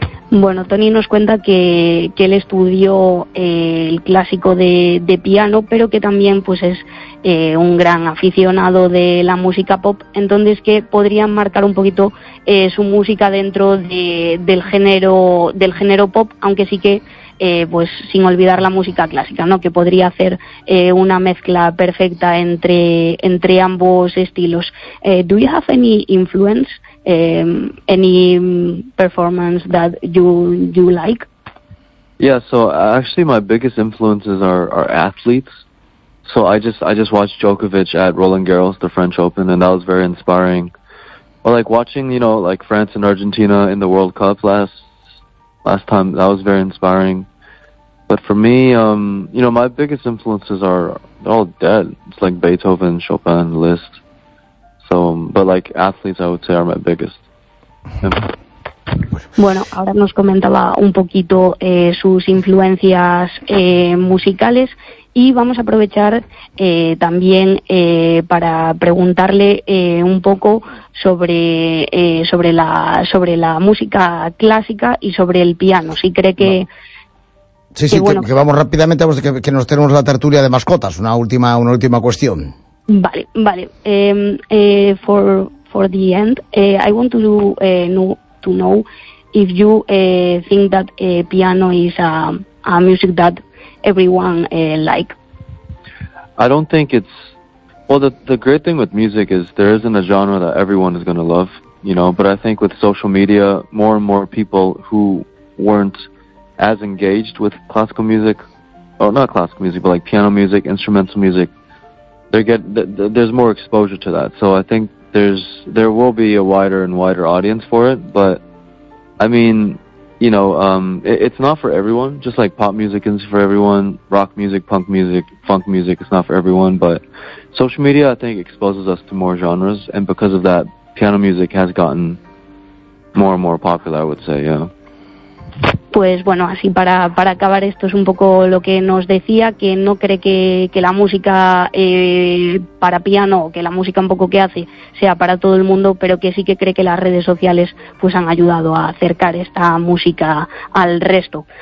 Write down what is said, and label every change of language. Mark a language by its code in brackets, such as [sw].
[es] Bueno, Tony nos cuenta que él estudió el clásico de piano, pero que también pues es un gran aficionado de la música pop, entonces que podrían marcar un poquito su música dentro del género pop, aunque sí que pues sin olvidar la música clásica, ¿no? Que podría hacer una mezcla perfecta entre ambos estilos. [en] Do you have any influence, any performance that you like? Yeah, so actually my biggest influences are athletes. So I just watched Djokovic at Roland Garros, the French Open, and that was very inspiring. Or like watching, you know, like France and Argentina in the World Cup last time, that was very inspiring. But for me, you know, my biggest influences are all dead. It's like Beethoven, Chopin, Liszt. So, but like athletes, I would say, are my biggest. [es] Bueno, ahora nos comentaba un poquito sus influencias musicales. Y vamos a aprovechar también para preguntarle un poco sobre la música clásica y sobre el piano. Si cree que... Sí, sí, que, bueno, que vamos rápidamente, que nos tenemos la tertulia de mascotas. Una última cuestión. Vale, vale. [en] For the end, I want to know if you think that piano is a music that everyone like. I don't think it's... Well, the great thing with music is there isn't a genre that everyone is going to love, you know, but I think with social media, more and more people who weren't as engaged with classical music, or not classical music, but like piano music, instrumental music, there's more exposure to that. So I think there will be a wider and wider audience for it, but I mean, you know, it's not for everyone, just like pop music isn't for everyone, rock music, punk music, funk music, it's not for everyone, but social media, I think, exposes us to more genres, and because of that, piano music has gotten more and more popular, I would say, yeah. [es] Pues bueno, así para acabar, esto es un poco lo que nos decía, que no cree que la música para piano, que la música un poco que hace, sea para todo el mundo, pero que sí que cree que las redes sociales pues han ayudado a acercar esta música al resto.